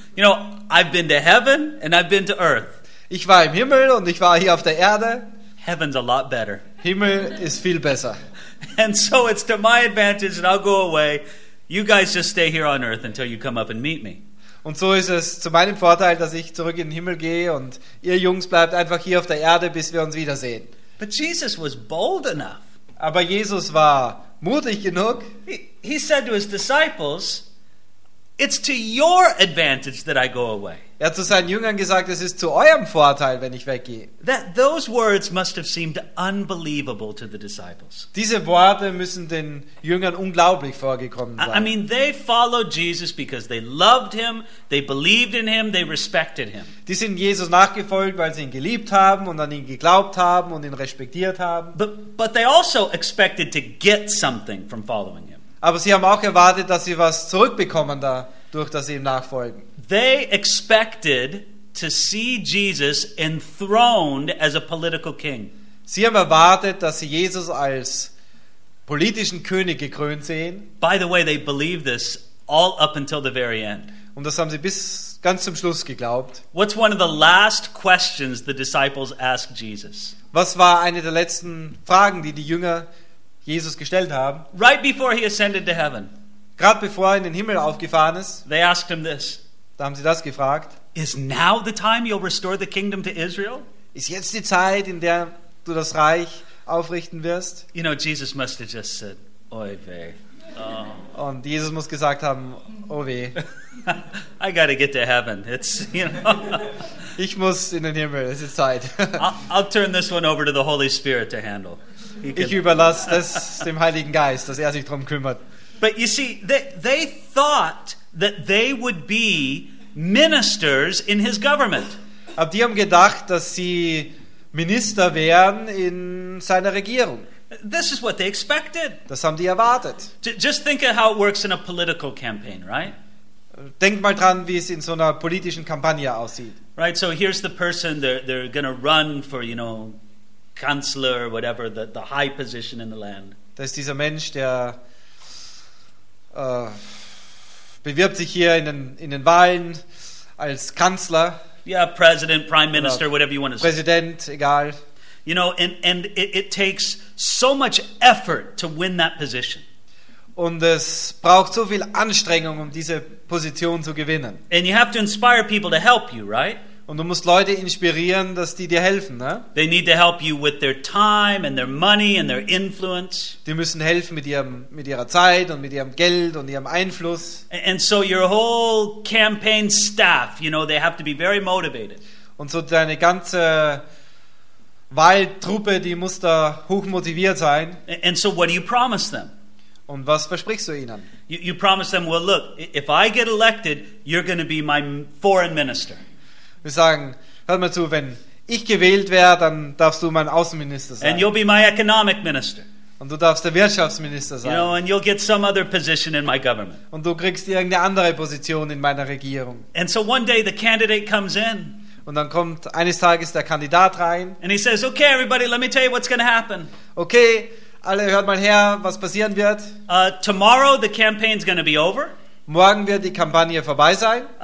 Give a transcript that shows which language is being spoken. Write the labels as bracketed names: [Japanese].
[English] You know, I've been to heaven and I've been to earth. [German] Ich war im Himmel und ich war hier auf der Erde. [English] Heaven's a lot better. [German] Himmel ist viel besser. [English] And so it's to my advantage that I'll go away. You guys just stay here on earth until you come up and meet me. [German] Und so ist es zu meinem Vorteil, dass ich zurück in den Himmel gehe und ihr Jungs bleibt einfach hier auf der Erde, bis wir uns wiedersehen. [English] But Jesus was bold enough. [German] Aber Jesus war mutig genug. [English] He said to his disciples, it's to your advantage that I go away. [German] Er hat zu seinen Jüngern gesagt, es ist zu eurem Vorteil, wenn ich weggehe. [English] That those words must have seemed unbelievable to the disciples. [German] Diese Worte müssen den Jüngern unglaublich vorgekommen sein. [English] I mean, they followed Jesus because they loved him, they believed in him, they respected him. [German] Die sind Jesus nachgefolgt, weil sie ihn geliebt haben und an ihn geglaubt haben und ihn respektiert haben. [English] But they also expected to get something from following him. [German] Aber sie haben auch erwartet, dass sie was zurückbekommen dadurch, dass sie ihm nachfolgen. [English] They expected to see Jesus enthroned as a political king. [German] Sie haben erwartet, dass sie Jesus als politischen König gekrönt sehen. [English] By the way, they believed this all up until the very end. [German] Und das haben sie bis ganz zum Schluss geglaubt. [English] What's one of the last questions the disciples asked Jesus? [German] Was war eine der letzten Fragen, die die Jünger Jesus gestellt haben? [English] Right before he ascended to heaven. [German] Gerade bevor er in den Himmel aufgefahren ist. [English] They asked him this. [German] Da haben sie das gefragt. [English] Is now the time you'll restore the kingdom to Israel? [German] Ist jetzt die Zeit, in der du das Reich aufrichten wirst? [English] You know, Jesus must have just said, oi weh. Oh. [German] Und Jesus muss gesagt haben, oh weh. [English] I gotta get to heaven. It's, you know. [German] Ich muss in den Himmel, es ist Zeit. [English] I'll turn this one over to the Holy Spirit to handle. [German] Ich überlasse das dem Heiligen Geist, dass er sich drum kümmert. [English] But you see, they thought that they would be ministers in his government. [German] Aber die haben gedacht, dass sie Minister wären in seiner Regierung. [English] This is what they expected. [German] Das haben die erwartet. [English] Just think of how it works in a political campaign, right? [German] Denk mal dran, wie es in so einer politischen Kampagne aussieht. [English] Right, so here's the person they're going to run for, you know, Kanzler or whatever, the high position in the land. [German] Das ist dieser Mensch, der bewirbt sich hier in den Wahlen als Kanzler. [English] Yeah, President, Prime Minister, whatever you want to say. [German] Präsident, egal. [English] You know, and it takes so much effort to win that position. [German] Und es braucht so viel Anstrengung, um diese Position zu gewinnen. [English] And you have to inspire people to help you, right? [German] Und du musst Leute inspirieren, dass die dir helfen, ne? [English] They need to help you with their time and their money and their influence. [German] Die müssen helfen mit ihrer Zeit und mit ihrem Geld und ihrem Einfluss. [English] And so your whole campaign staff, you know, they have to be very motivated. [German] Und so deine ganze Wahltruppe, die muss da hoch motiviert sein. [English] And so what do you promise them? [German] Und was versprichst du ihnen? [English] You promise them, well, look, if I get elected, you're going to be my foreign minister. [German] Wir sagen, hör mal zu, wenn ich gewählt wäre, dann darfst du mein Außenminister sein. [English] And you'll be my economic minister. [German] Und du darfst der Wirtschaftsminister sein. [English] You know, and you'll get some other position in my government. [German] Und du kriegst irgendeine andere Position in meiner Regierung. [English] And so one day the candidate comes in. [German] Und dann kommt eines Tages der Kandidat rein. [English] And he says, okay, everybody, let me tell you what's going to happen. [German] Okay, alle hört mal her, was passieren wird. [English] Tomorrow the campaign's going to be over. [German] Morgen wird die Kampagne vorbei sein.